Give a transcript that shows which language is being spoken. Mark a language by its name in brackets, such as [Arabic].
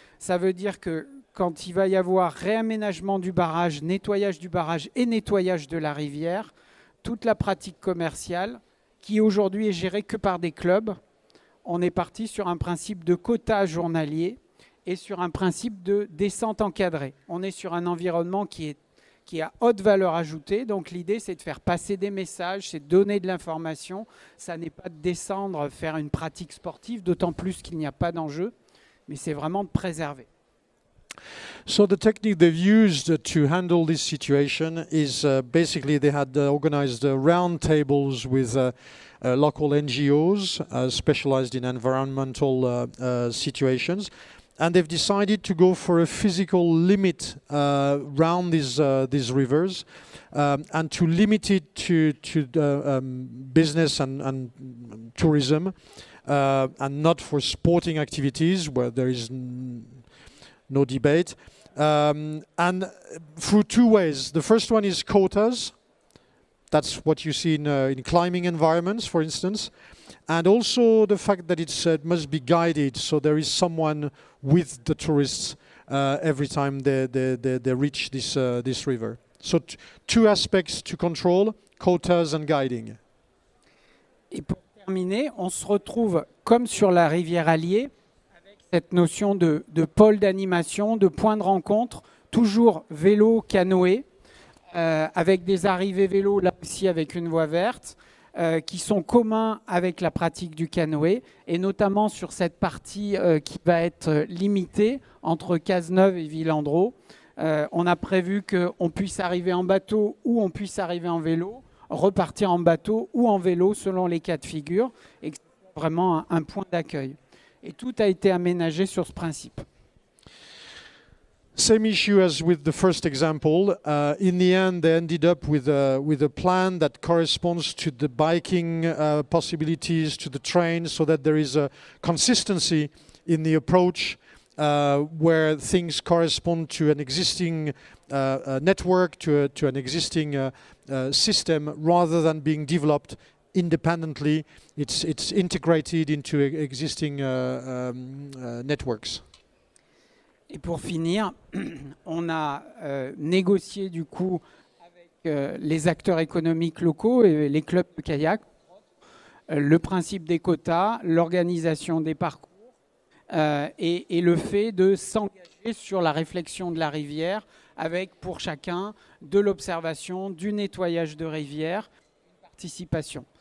[French] Ça veut dire que quand il va y avoir réaménagement du barrage, nettoyage du barrage et nettoyage de la rivière, toute la pratique commerciale, qui aujourd'hui est gérée que par des clubs, on est parti sur un principe de quota journalier et sur un principe de descente encadrée. On est sur un environnement qui a haute valeur ajoutée. Donc l'idée, c'est de faire passer des messages, c'est de donner de l'information. Ça n'est pas de descendre, faire une pratique sportive, d'autant plus qu'il n'y a pas d'enjeu, mais c'est vraiment de préserver. [English] So the technique they've used to handle this situation is basically they had organized round tables with local NGOs specialized in environmental situations, and they've decided to go for a physical limit around these rivers and to limit it to business and tourism and not for sporting activities where there is no debate, and through two ways. The first one is quotas. That's what you see in climbing environments, for instance. And also the fact that it's, it must be guided, so there is someone with the tourists every time they reach this this river. So two aspects to control, quotas and guiding. [French] Et pour terminer, on se retrouve comme sur la rivière Allier, cette notion de pôle d'animation, de point de rencontre, toujours vélo, canoë, avec des arrivées vélo, là aussi avec une voie verte, qui sont communs avec la pratique du canoë, et notamment sur cette partie qui va être limitée entre Cazeneuve et Villandreau. On a prévu qu'on puisse arriver en bateau ou on puisse arriver en vélo. repartir en bateau ou en vélo selon les cas de figure, et vraiment un point d'accueil. Et tout a été aménagé sur ce principe. [English] Same issue as with the first example. In the end, they ended up with a plan that corresponds to the biking possibilities, to the train, so that there is a consistency in the approach where things correspond to an existing network, to an existing system, rather than being developed independently. It's integrated into existing networks. [French] Et pour finir, on a négocié du coup avec les acteurs économiques locaux et les clubs de kayak le principe des quotas, l'organisation des parcours et le fait de s'engager sur la réflexion de la rivière avec pour chacun de l'observation, du nettoyage de rivière, une participation.